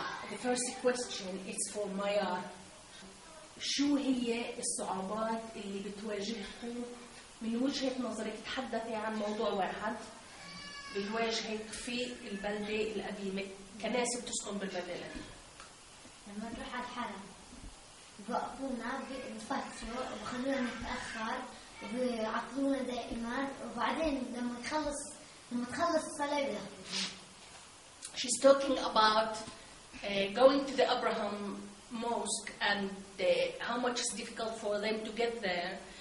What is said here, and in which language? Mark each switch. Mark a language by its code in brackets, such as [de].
[en] The first question is for Maya. [ar] شو هي الصعوبات اللي بتواجهكم من وجهة نظرك تحدثي عن موضوع واحد بتواجهك في البلدة القديمة كناس بتسكن بالبلدة لما نروح على الحرم بوقفونا بنفتروا وبخلونا نتأخر وبيعطلونا دائما وبعدين لما تخلص الصلاة [en] She's talking about going to the Abraham Mosque and how much it's difficult for them to get there.